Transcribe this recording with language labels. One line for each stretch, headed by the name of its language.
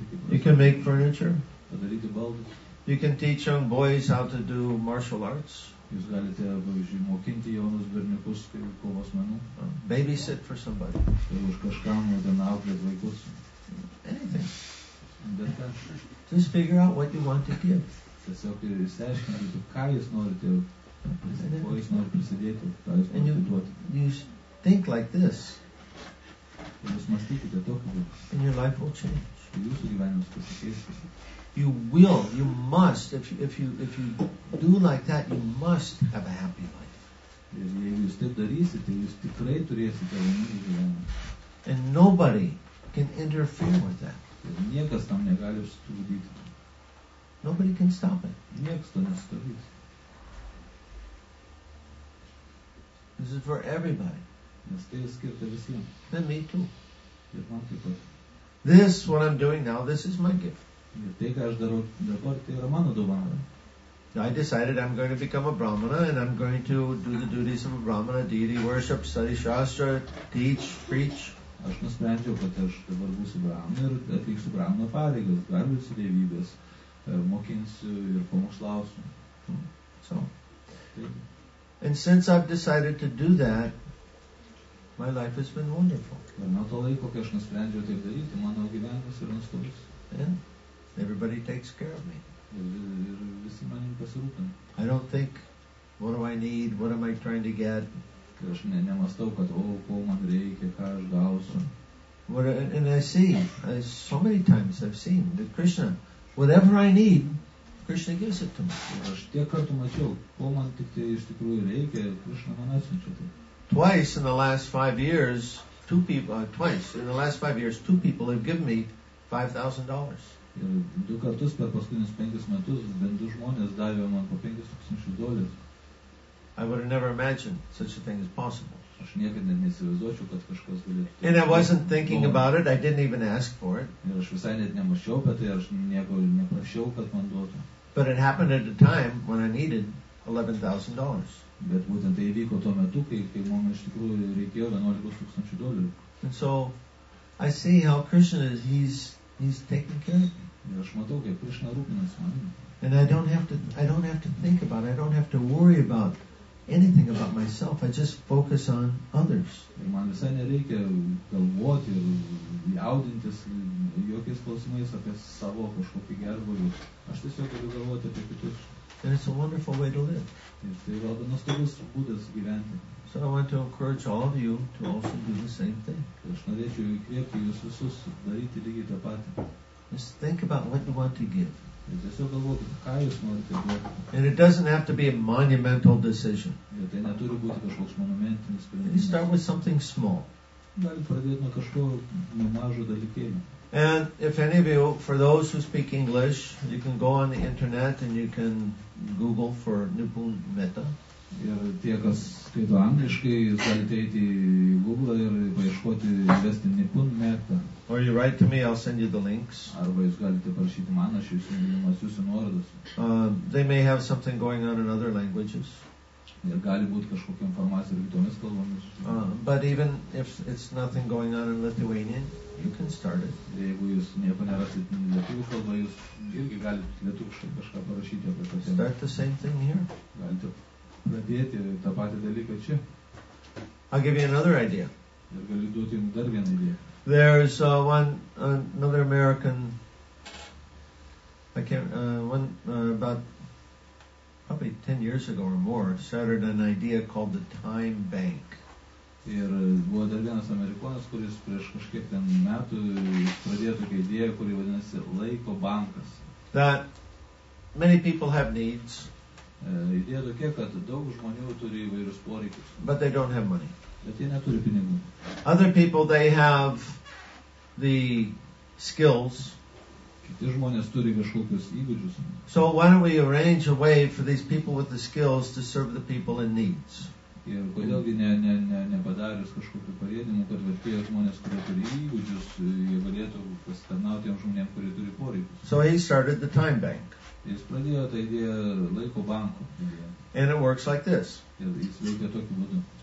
English: You can make furniture. You can teach young boys how to do martial arts.
Lithuanian: Jūs galite, pavyzdžiui, mokinti jaunus berniukus kovos menų.
English: Babysit for somebody.
Lithuanian: Ir už kažkam auklėti vaikus.
English: Anything. Just figure out what you want to give.
Lithuanian: Tiesiog išsiaiškinkite, ką jūs norite, ko jūs norite prisidėti, ką jūs norite duoti.
English: Think like this.
Lithuanian: Jūs mąstykite tokiu būdu.
English: And your life will change.
Lithuanian: Jūsų gyvenimas pasikeis.
English: You will, you must, if you do like that, you must have a happy life.
Lithuanian: Jeigu jūs taip darysite, jūs tikrai turėsite laimingą gyvenimą.
English: And nobody can interfere with that.
Lithuanian: Ir niekas tam negali sutrukdyti.
English: Nobody can stop it.
Lithuanian: Niekas to nesutrukdys.
English: This is for everybody.
Lithuanian: Nes tai skirta visiems.
English: Then me too.
Lithuanian: Ir man taip pat.
English: This, what I'm doing now, this is my gift.
Lithuanian: Ir tai, ką aš darau dabar, tai yra mano dovana.
English: I decided I'm going to become a Brahmana and I'm going to do the duties of a Brahmana, deity worship, study Shastra, teach, preach.
Lithuanian: Aš nusprendžiau, kad aš dabar būsiu Brahmana ir atliksiu Brahmana pareigas, garbinsiu dievybės, mokinsiu ir pamokslausiu.
English: So. And since I've decided to do that, my life has been wonderful.
Lithuanian: Ir nuo to laiko, kai aš nusprendžiau taip daryti, mano gyvenimas yra nuostabus.
English: Everybody takes care of me.
Lithuanian: Ir visi manim pasirūpina.
English: I don't think, what do I need, what am I trying to get?
Lithuanian: Aš nemastau, kad, o, ko man reikia, ką aš gausiu.
English: And I see, so many times I've seen that Krishna, whatever I need, Krishna gives it to me.
Lithuanian: Aš tiek kartų mačiau, ko man tik tai iš tikrųjų reikia, Krishna man atsiunčia tai.
English: Twice in the last 5 years, two people have given me $5,000.
Lithuanian: Ir du kartus per paskutinius 5 metus bent du žmonės davė man po $5,000.
English: I would have never imagined such a thing as possible.
Lithuanian: Aš niekad nesivaizduočiau, kad kažkas galėtų.
English: And I wasn't thinking about it, I didn't even ask for it.
Lithuanian: Ir aš visai net nemašiau apie tai, aš nieko neprašiau, kad man duotų.
English: But it happened at a time when I needed $11,000.
Lithuanian: Bet būtent tai įvyko tuo metu, kai man iš tikrųjų reikėjo $11,000.
English: And so, I see how Krishna is, He's taking care of me.
Lithuanian: Aš matau, kaip Krishna rūpinasi manimi.
English: And I don't have to think about it. I don't have to worry about anything about myself. I just focus on others.
Lithuanian: Ir man visai nereikia galvoti ir jaudintis jokiais klausimais apie savo kažkokį gerbūvį. Aš tiesiog galiu galvoti apie kitus.
English: And it's a wonderful way to live.
Lithuanian: Ir tai yra nuostabus būdas gyventi.
English: So I want to encourage all of you to also do the same thing.
Lithuanian: Aš norėčiau įkvėpti jūs visus daryti lygiai tą patį.
English: Just think about what you want to give.
Lithuanian: Ir tiesiog galvokite, ką jūs norite duoti.
English: And it doesn't have to be a monumental decision.
Lithuanian: Ir tai neturi būti kažkoks monumentinis sprendimas.
English: Just start with something small.
Lithuanian: Galite pradėti nuo kažko mažo dalykėlio.
English: And if any of you, for those who speak English, you can go on the internet and you can Google for Nipun Mehta.
Lithuanian: Ir tie, kas skaito angliškai, jūs galite eiti į Google ir paieškoti, įvesti Nipun Mehta.
English: Or you write to me, I'll send you the links.
Lithuanian: Arba jūs galite parašyti man, aš jums jūsų nuorodas.
English: They may have something going on in other languages.
Lithuanian: Ir gali būti kažkokia informacija ir kitomis kalbomis.
English: But even if it's nothing going on in Lithuanian, you can start it.
Lithuanian: Jeigu jūs nieko nerasite lietuvių kalbą, jūs irgi galite lietuviškai kažką parašyti apie tą temą.
English: Start the same thing here.
Lithuanian: Galite pradėti tą patį dalyką čia.
English: I'll give you another idea.
Lithuanian: Ir galiu duoti jums dar vieną idėją.
English: There's another American, I can't, one, about probably 10 years ago or more, started an idea called the Time Bank.
Lithuanian: Ir buvo dar vienas amerikonas, kuris prieš kažkiek ten metų pradėjo tokią idėją, kuri vadinasi laiko bankas.
English: That many people have needs.
Lithuanian: Idėja tokia, kad daug žmonių turi įvairius poreikius.
English: But they don't have money.
Lithuanian: Bet jie neturi pinigų.
English: Other people, they have the skills.
Lithuanian: Kiti žmonės turi kažkokius įgūdžius.
English: So why don't we arrange a way for these people with the skills to serve the people in needs?
Lithuanian: Ir kodėlgi nepadarius kažkokių parėdimų, kad tie žmonės, kurie turi įgūdžius, jie galėtų pasitarnauti tiem žmonėm, kurie turi poreikius.
English: So he started the time bank.
Lithuanian: Jis pradėjo tą idėją laiko banko.
English: And it works like this.
Lithuanian: Ir jis veikia tokiu būdu.